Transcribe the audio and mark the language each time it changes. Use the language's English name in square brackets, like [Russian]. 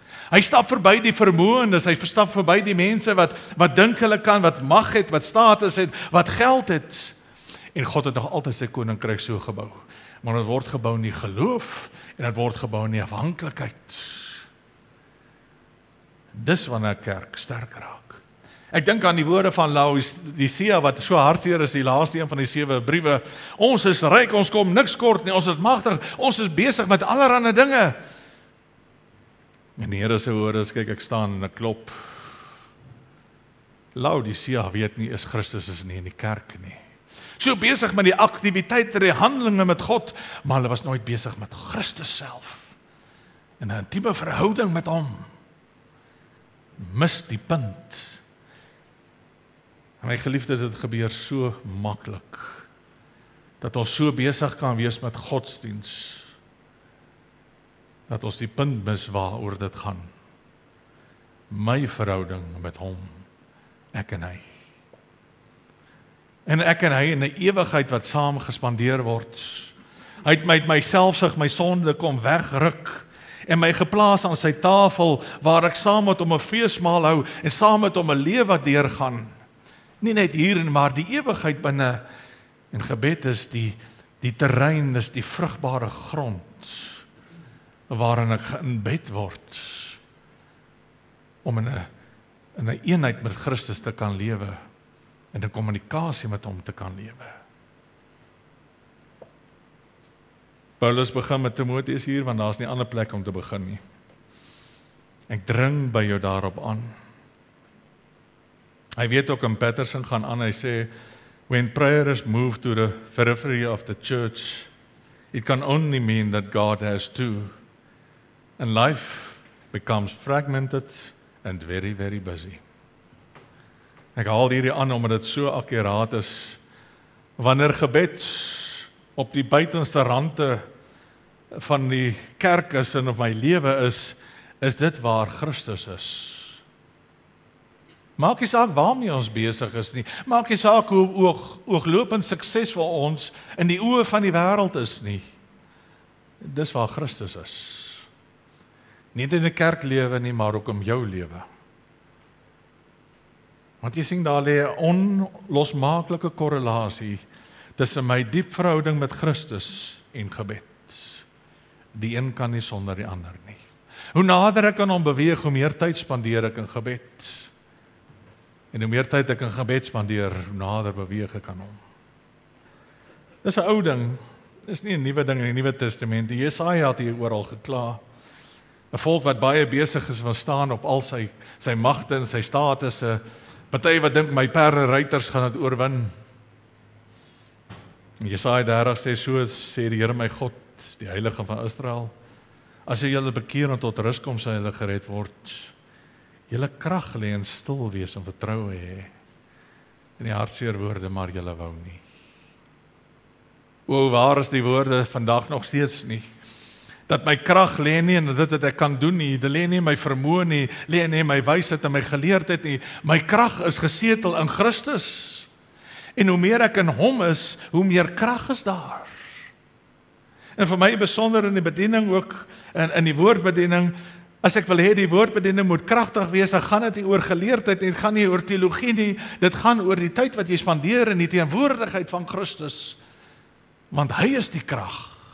[Afrikaans] Hy stap verby die vermoëndes, hy stap verby die mense wat dink hulle kan, wat mag het, wat status het, wat geld het. En God het nog altyd sy koninkryk so gebou. Maar het word gebou in die geloof en het word gebou in die afhanklikheid. Dis wanneer kerk sterk raak. Ek dink aan die woorde van Laodicea wat so hartseer is, die laaste een van die sewe briewe. Ons is ryk, ons kom niks kort nie, ons is magtig, ons is besig met allerhande dinge. En die Here se woorde is, kyk, ek staan en ek klop. Laodicea weet nie, is Christus is nie in die kerk nie. So besig met die aktiwiteite, die handelinge met God, maar hulle was nooit besig met Christus self. En 'n intieme verhouding met hom. Mis die punt. My geliefdes, dit gebeur so maklik, dat ons so besig kan wees met godsdiens, dat ons die punt mis waaroor dit gaan. My verhouding met hom, ek en hy. En ek en hy in 'n ewigheid wat saam gespandeer word. Hy het my uit myselfsug, my sonde kom wegruk en my geplaas aan sy tafel waar ek saam met hom 'n feesmaal hou en saam met hom 'n lewe deurgaan. Nie net hier en maar die ewigheid binne. En gebed is die terrein, is die vrugbare grond waarin ek geïnbed word om in 'n eenheid met Christus te kan lewe. En die kommunikasie met hom te kan lewe. Paulus begin met Timoteus hier, want daar is nie ander plek om te begin nie. Ek dring by jou daarop aan. Hy weet ook in Patterson gaan aan, hy sê, [English] when prayer is moved to the periphery of the church, it can only mean that God has two. And life becomes fragmented and very, very busy. [Afrikaans] Ek haal hierdie aan omdat dit so akkuraat is. Wanneer gebed op die buitenste rande van die kerk is en op my lewe is, is dit waar Christus is. Maak nie saak waarmee ons besig is nie. Maak nie saak hoe ooglopend suksesvol ons in die oë van die wêreld is nie. Dis waar Christus is. Nie in die kerk lewe nie, maar ook om jou lewe. Want jy sien, daar lê 'n onlosmaaklike korrelasie tussen my diep verhouding met Christus en gebed. Die een kan nie sonder die ander nie. Hoe nader ek aan hom beweeg, hoe meer tyd spandeer ek in gebed. En hoe meer tyd ek in gebed spandeer, hoe nader beweeg ek aan hom. Dis 'n ou ding. Dis nie 'n nuwe ding in die Nuwe Testament. Jesaja het hier oral gekla. 'n Volk wat baie besig is om staan op al sy magte en sy statusse. Partye wat dink my perde ruiters gaan dit oorwin. Jesaja 30 sê so, sê die Here my God, die Heilige van Israel, as jy julle bekeer en tot rus kom, sal julle gered word. Julle krag lê in stil wees en vertroue hê. In die hartseer woorde, maar julle wou nie. O, waar is die woorde vandag nog steeds nie? Dat my krag lê nie in dit wat ek kan doen nie, dit lê nie my vermoë nie, lê nie my wysheid en my geleerdheid nie. My krag is gesetel in Christus. En hoe meer ek in hom is, hoe meer krag is daar. En vir my besonder in die bediening ook, in die woordbediening, as ek wil hê die woordbediening moet kragtig wees, dan gaan dit nie oor geleerdheid nie, dit gaan nie oor teologie nie, dit gaan oor die tyd wat jy spandeer in die teenwoordigheid van Christus. Want hy is die krag.